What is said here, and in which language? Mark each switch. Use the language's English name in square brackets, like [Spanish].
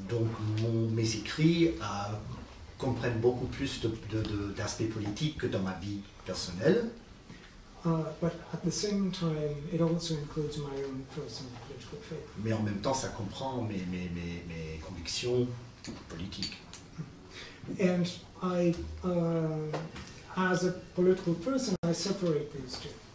[French] Donc mes écrits comprennent beaucoup plus d'aspects politiques que dans ma vie personnelle. [English] But at the same time, it also includes my own personal political faith. [French] Mais en même temps, ça comprend mes convictions politiques. [English] And I, as a political person, I separate these two.